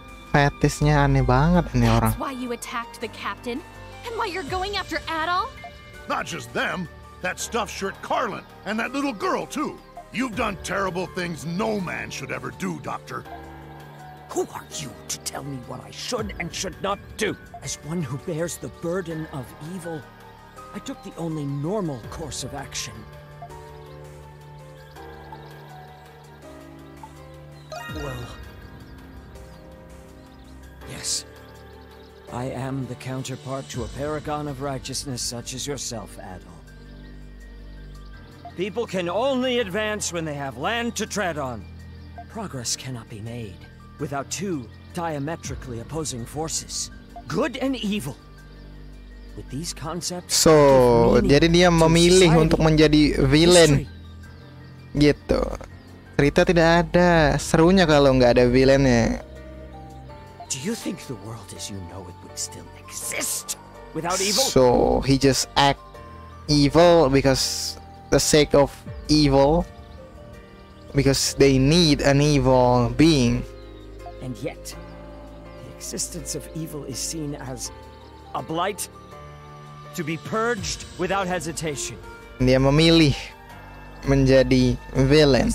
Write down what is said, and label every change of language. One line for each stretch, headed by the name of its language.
Indonesian: Fetisnya aneh banget ini orang.
English: That's why you attacked the captain? And why you're going after Adol? Not just them. That stuffed shirt Carlin and that little girl too. You've done terrible things no man should ever do, Doctor. Who are you to tell me what I should and should not do? As one who bears the burden of evil, I took the only normal course of action. Well... yes. I am the counterpart to a paragon of righteousness such as yourself, Adol. People can only advance when they have land to tread on. Progress cannot be made without two diametrically opposing forces, good and evil. With these concepts,
Indonesian: so jadi dia memilih untuk menjadi villain. Gitu. Cerita tidak ada serunya kalau enggak ada villainnya.
English: Do you think the world as you know it would still exist without evil? So he just act evil because the sake of evil, because they need an evil being. And yet, the existence of evil is seen as a blight to be purged without hesitation.
Indonesian: Dia memilih menjadi villain.